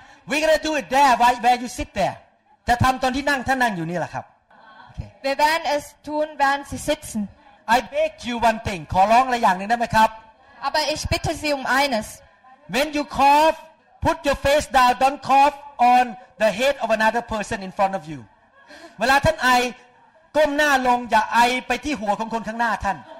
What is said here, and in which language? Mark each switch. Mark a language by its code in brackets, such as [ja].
[en] We're gonna do it there, right where you sit there. [th] จะทำตอนที่นั่งท่านนั่งอยู่นี่แหละครับ [de] Wir werden es tun, während Sie sitzen. [en] I beg you one thing. [th] ขอร้องอะไรอย่างนึงได้ไหมครับ [de] Aber ich bitte Sie eines. [en] When you cough, put your face down. Don't cough on the head of another person in front of you. [th] เวลาท่านไอก้มหน้าลงอย่าไอไปที่หัวของคนข้างหน้าท่าน